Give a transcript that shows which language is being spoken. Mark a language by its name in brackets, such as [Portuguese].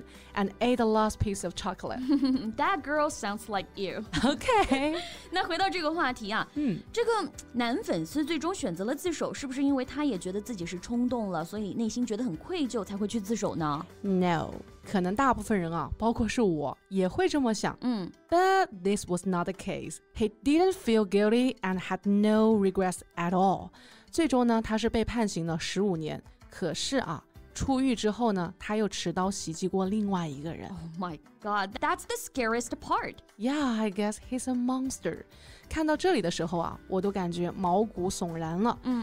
[English] friend and ate the last piece of chocolate. That girl sounds like you. Okay. [Chinese] 那回到这个话题啊，这个男粉丝最终选择了自首，是不是因为他也觉得自己是冲动了，所以内心觉得很愧疚才会去自首呢？ [English] No. [Chinese] 可能大部分人啊，包括是我，也会这么想。 [English] But this was not the case. He didn't feel guilty and had no regrets at all. [Chinese] 最终呢，他是被判刑了15年。可是啊，出狱之后呢，他又持刀袭击过另外一个人。 [English] Oh my god, that's the scariest part. Yeah, I guess he's a monster. [Chinese] 看到这里的时候啊，我都感觉毛骨悚然了。